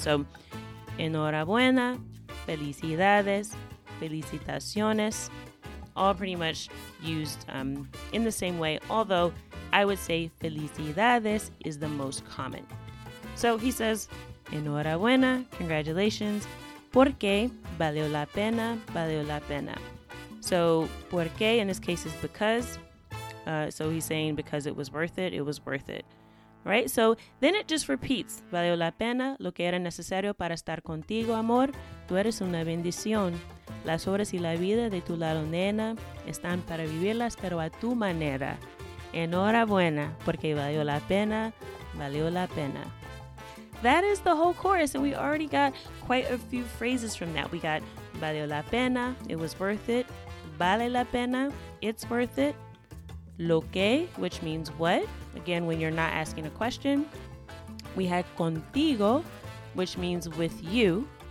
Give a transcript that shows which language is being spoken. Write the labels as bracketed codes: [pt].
[en] So, enhorabuena, felicidades, felicitaciones, all pretty much used in the same way, although I would say felicidades is the most common. So he says, [es] enhorabuena, congratulations, porque valió la pena, valió la pena. [en] So, porque in this case is because, so he's saying because it was worth it, it was worth it. Right, so then it just repeats. [es] Valió la pena lo que era necesario para estar contigo, amor. Tú eres una bendición. Las horas y la vida de tu lado, nena, están para vivirlas, pero a tu manera. Enhorabuena, porque valió la pena, valió la pena. [en] That is the whole chorus, and we already got quite a few phrases from that. We got [es] valió la pena, [en] it was worth it. [es] Vale la pena, [en] it's worth it. Lo que, which means what, again, when you're not asking a question. We had contigo, which means with you.